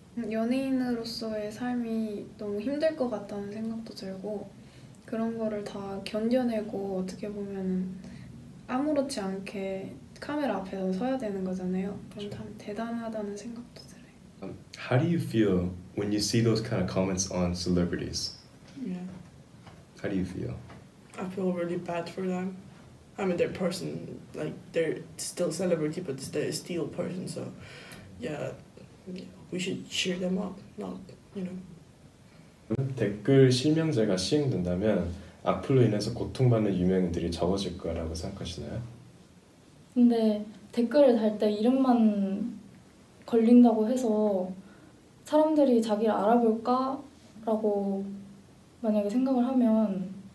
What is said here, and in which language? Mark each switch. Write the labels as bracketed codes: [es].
[ko] 연예인으로서의 삶이 너무 힘들 것 같다는 생각도 들고 그런 거를 다 견뎌내고 어떻게 보면은 아무렇지 않게 카메라 앞에서 서야 되는 거잖아요. 그럼 참 대단하다는 생각도 들어요. [en] How do you feel when you see those kind of comments on celebrities? How do you feel? I feel really bad for them. I mean, they're person, like they're still celebrity, but they're still person. So, yeah, we should cheer them up, not, you know. [ko] 댓글 실명제가 시행된다면 악플로 인해서 고통받는 유명인들이 적어질 거라고 생각하시나요? 근데 댓글을 달때 이름만 걸린다고 해서 사람들이 자기를 알아볼까라고 만약에 생각을 하면